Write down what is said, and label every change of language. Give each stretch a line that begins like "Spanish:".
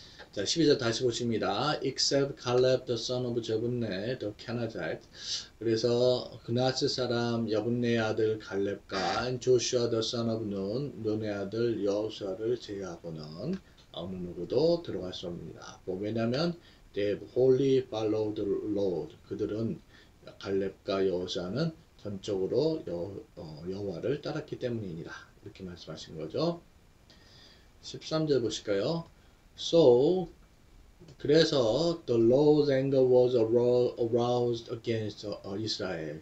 Korean: 자, 12절 다시 보십니다.
English: Except Caleb the son of Jephunneh, the Kenizzite.
Korean: 그래서 그나스 사람 여분네의 아들 갈렙과 조슈아
English: the son of Nun,
Korean: 눈의 아들 여호수아를 제외하고는 어느 누구도 들어갈 수 없습니다. 뭐, 왜냐하면
English: they have wholly followed the Lord.
Korean: 그들은 갈렙과 여호수아는 전적으로 여호와를 따랐기 때문이니라. 이렇게 말씀하신 거죠. 13절 보실까요?
English: So,
Korean: 그래서
English: the Lord's anger was aroused against Israel.